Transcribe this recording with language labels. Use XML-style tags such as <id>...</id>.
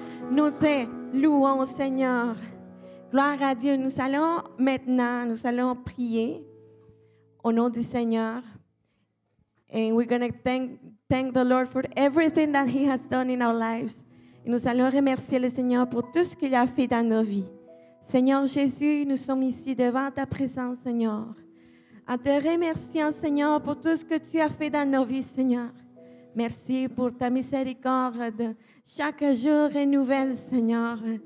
<fr>Nous te louons Seigneur. Gloire à Dieu. Nous allons maintenant, nous allons prier au nom du Seigneur.</fr> <en>And we're going to thank the Lord for everything that he has done in our lives.</en> <fr>Et nous allons remercier le Seigneur pour tout ce qu'il a fait dans nos vies. Seigneur Jésus, nous sommes ici devant ta présence Seigneur. En te remerciant Seigneur pour tout ce que tu as fait dans nos vies Seigneur. Merci pour ta miséricorde chaque jour renouvelle, Seigneur.</fr>